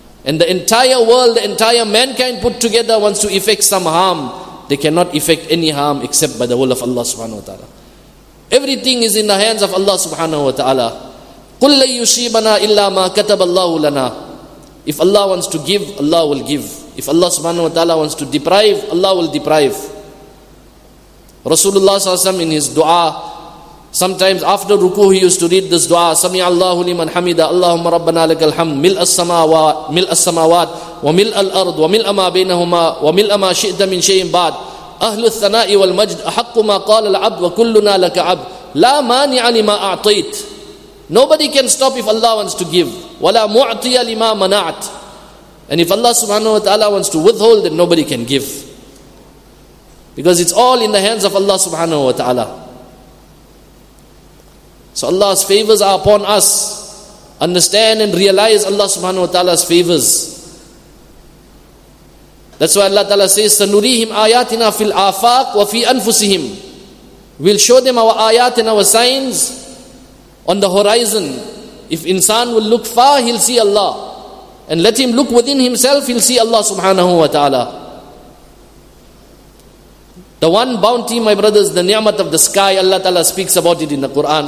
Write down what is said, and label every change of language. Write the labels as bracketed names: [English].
[English] And the entire world, the entire mankind put together wants to effect some harm, they cannot effect any harm except by the will of Allah subhanahu wa ta'ala. Everything is in the hands of Allah subhanahu wa ta'ala. [Arabic] قُلْ لَنْ يُصِيبَنَا إِلَّا مَا كَتَبَ اللَّهُ لَنَا. [English] If Allah wants to give, Allah will give. If Allah subhanahu wa ta'ala wants to deprive, Allah will deprive. Rasulullah sallallahu alayhi wa sallam in his dua, sometimes after ruku he used to read this dua, [Arabic] سَمِعَ اللَّهُ لِمَنْ حَمِدَ اللَّهُمَّ رَبَّنَا لَكَ الْحَمْدُ مِلْأَ السَّمَاوَاتِ وَمِلْأَ الْأَرْضِ وَمِلْأَ مَا بَيْنَهُمَا وَمِلْأَ مَا شِئْتَ مِنْ شَيْءٍ بَعْدُ أهل الثناء والمجد أحق ما قال العبد وكلنا لك عبد لا مانع لما أعطيت. [English] Nobody can stop if Allah wants to give. [Arabic] ولا معطي لما منعت. [English] And if Allah subhanahu wa ta'ala wants to withhold, then nobody can give. Because it's all in the hands of Allah subhanahu wa ta'ala. So Allah's favors are upon us. Understand and realize Allah subhanahu wa ta'ala's favors. That's why Allah Ta'ala says, [Arabic] سَنُرِيهِمْ آيَاتِنَا فِي الْآفَاقِ وَفِي أَنفُسِهِمْ. [English] We'll show them our ayat and our signs on the horizon. If insan will look far, he'll see Allah. And let him look within himself, he'll see Allah subhanahu wa ta'ala. The one bounty, my brothers, the ni'mat of the sky, Allah Ta'ala speaks about it in the Quran.